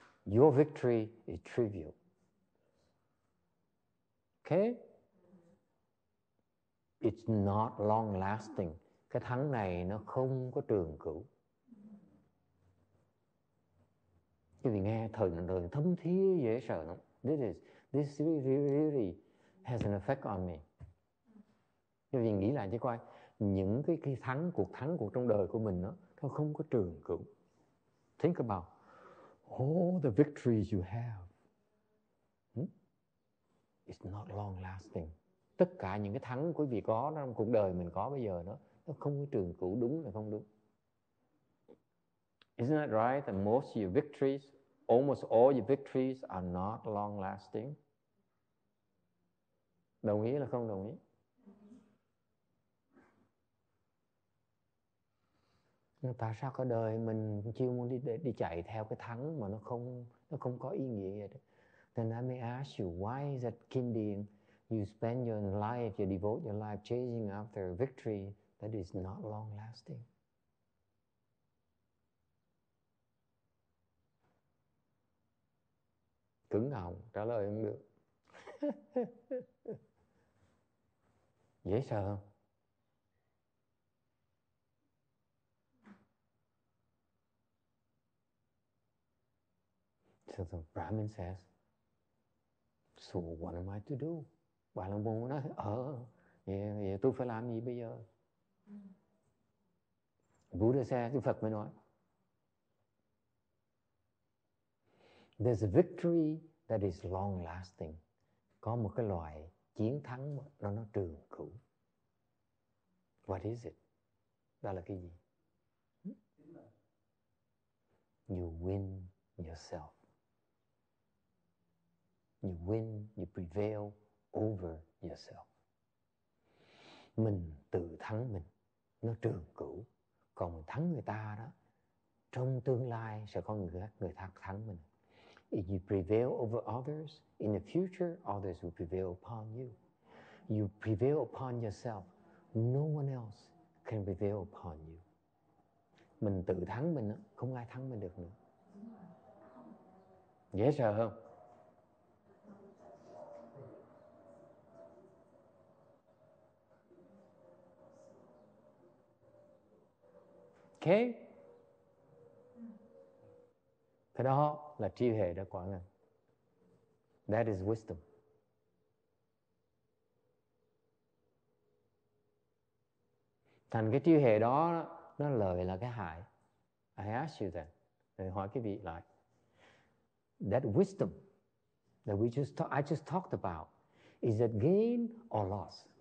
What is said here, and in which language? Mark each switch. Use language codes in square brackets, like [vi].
[en] Your victory is trivial. Okay? It's not long lasting. [vi] Cái thắng này nó không có trường cửu. Vì nghe thời thấm thía dễ sợ lắm. [en] this is, this really, really has an effect on me. [vi] Cho nên nghĩ lại chứ coi, những cái thắng cuộc trong đời của mình đó, nó không có trường cửu. [en] Think about all the victories you have. It's not long lasting. [vi] Tất cả những cái thắng quý vị có trong cuộc đời mình có bây giờ đó, nó không có trường cửu, đúng hay không đúng. [en] Isn't that right that most of your victories, almost all your victories are not long lasting? [vi] Đồng ý là không đồng ý? Tại sao cả đời mình chưa muốn đi chạy theo cái thắng mà nó không có ý nghĩa vậy? [en] Then I may ask you, why is it, Kim Điền, you spend your life, you devote your life chasing after a victory that is not long lasting? [vi] Cứng họng, trả lời không được. Dễ sợ không? [en] So the Brahmin says, so what am I to do? [vi] Bà Lâm Bồ nói, tôi phải làm gì bây giờ? [en] Buddha says, [vi] Phật mới nói, [en] there's a victory that is long lasting. [vi] Có một cái loại chiến thắng mà nó trường cửu. [en] What is it? [vi] Đó là cái gì? [en] You win yourself. You win, you prevail over yourself. [vi] Mình tự thắng mình, nó trường cửu. Còn thắng người ta đó, trong tương lai sẽ có người khác thắng mình. [en] If you prevail over others, in the future, others will prevail upon you. You prevail upon yourself. No one else can prevail upon you. [vi] Mình tự thắng mình, không ai thắng mình được nữa. Dễ sợ không? [en] Okay. [vi] Thế đó là tri hệ đã quả ngân. [en] That is wisdom. [vi] Thành cái tri hệ đó, nó lợi là cái hại. [en] I ask you that. [vi] Rồi hỏi cái vị lại. [en] That wisdom that I just talked about, is it gain or loss?